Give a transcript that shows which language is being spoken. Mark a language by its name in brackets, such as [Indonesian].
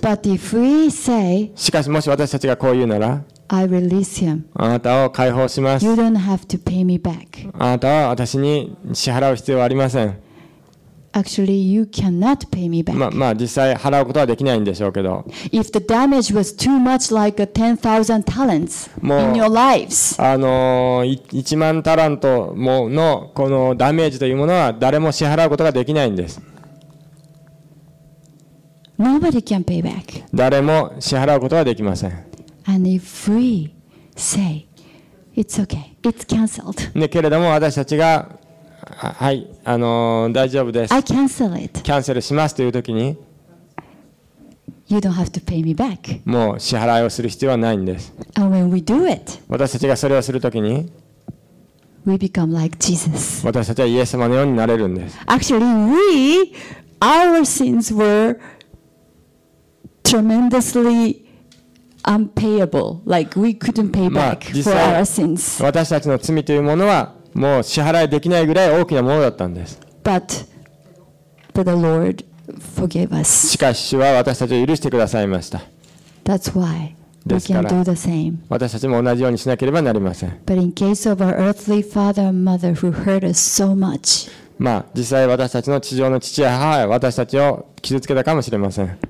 [English] But if we say, [Japanese] しかしもし私たちがこう言うなら、 [English] I release him. [Japanese] あなたを解放します。 [English] You don't have to pay me back. [Japanese] あなたは私に支払う必要はありません。 [English] Actually, you cannot pay me back. [Japanese] まあ実際払うことはできないんでしょうけど。 [English] If the damage was too much, like a 10,000 talents in your lives, [Japanese] 1万タラントものこのダメージというものは誰も支払うことができないんです。 [English] Nobody can pay back. [Japanese] 誰も支払うことはできません。 [English] And if we say, "It's okay, it's cancelled." [Japanese] ね、けれども私たちがはい、大丈夫です。 [English] I cancel it. [Japanese] キャンセルしますというときに、 [English] You don't have to pay me back. [Japanese] もう支払いをする必要はないんです。 [English] And when we do it, [Japanese] 私たちがそれをするときに、 [English] we become like Jesus. [Japanese] 私たちはイエス様のようになれるんです。 [English] Actually, we, our sins were tremendously unpayable. Like we couldn't pay back for our sins. [Japanese] 私たちの罪というものは、もう支払いできないぐらい大きなものだったんです。 [English] But the Lord forgave us. [Japanese] しかし主は私たちを許してくださいました。 [English] That's why we can do the same. [Japanese] 私たちも同じようにしなければなりません。 [English] But in case of our earthly father and mother who hurt us so much. [Japanese] まあ実際私たちの地上の父や母は私たちを傷つけたかもしれません。